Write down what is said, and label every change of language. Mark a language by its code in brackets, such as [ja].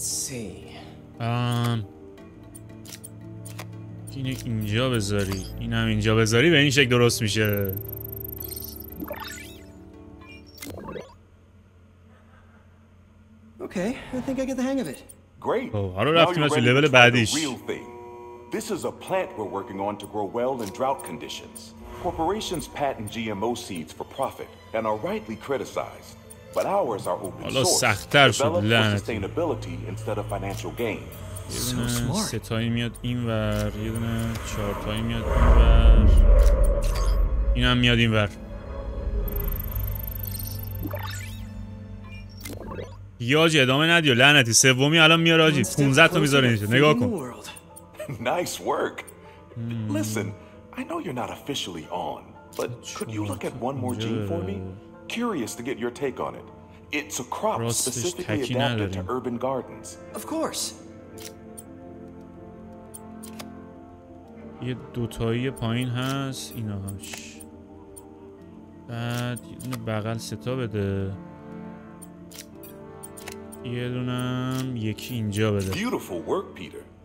[fa] اینه اینجا بذاری اینم اینجا بذاری به این شکل درست میشه حالا رفتیم از لیول بعدیش [en] This is a plant we're working on to grow well in drought conditions. Corporations patent GMO seeds for profit and are rightly criticized. But ours are open source, developed for sustainability instead of financial gain. So smart. [fa] سه تایی میاد اینور، یه دونه چهار تایی میاد اینور. اینم میاد اینور. یاجی ادامه ندی و لعنتی سومی الان میاره آجی 15 تا میذاره اینجا نگاه کن. [en] Nice work. Listen, I know you're not officially on, but could you look at one more gene for me? Curious to get your take on it. It's a crop specifically adapted to urban gardens. Of course. [fa] یه دوتایی پایین هست ایناهاش. بعد یه دونه بغل ستا بده. یه دونم یکی اینجا بده. [en] Beautiful work, Peter.